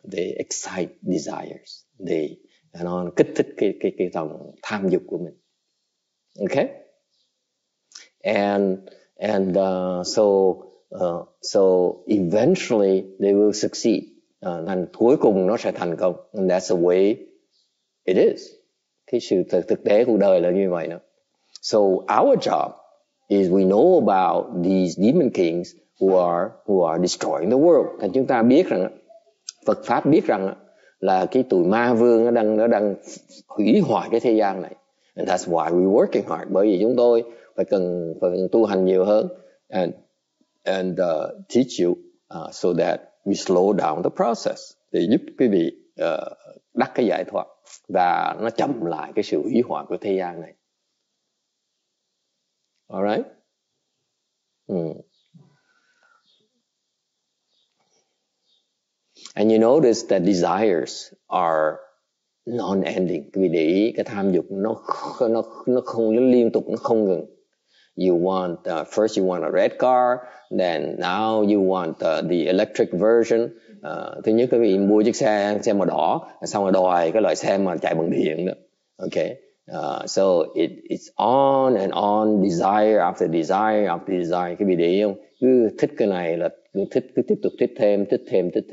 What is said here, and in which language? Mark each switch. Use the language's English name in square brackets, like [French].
[English] They excite desires. They, you know, [Vietnamese] kích thích cái dòng tham dục của mình. Okay. [English] So eventually they will succeed. [Vietnamese] Thành cuối cùng nó sẽ thành công. [English] And that's the way it is. [Vietnamese] Cái sự thực tế cuộc đời là như vậy đó. [English] So our job is we know about these demon kings who are destroying the world. [Vietnamese] Thành chúng ta biết rằng Phật pháp biết rằng là cái tụi ma vương nó đang hủy hoại cái thế gian này. [English] And that's why we're working hard. [Vietnamese] Bởi vì chúng tôi phải cần tu hành nhiều hơn [English] and teach you so that we slow down the process [Vietnamese] để giúp quý vị đắc cái giải thoát và nó chậm lại cái sự hủy hoại của thế gian này. [English] All right? And you notice that desires are non-ending. [Vietnamese] Quý vị để ý cái tham dục nó không nó liên tục, nó không ngừng. [English] You want first you want a red car, then now you want the electric version. [Vietnamese] Thứ nhất quý vị mua chiếc xe màu đỏ, xong rồi đòi cái loại xe mà chạy bằng điện đó. [English] Okay. So it's on and on, desire after desire after desire. [Vietnamese] Quý vị để ý không? Cứ thích cái này là thích, cứ tiếp tục thích thêm.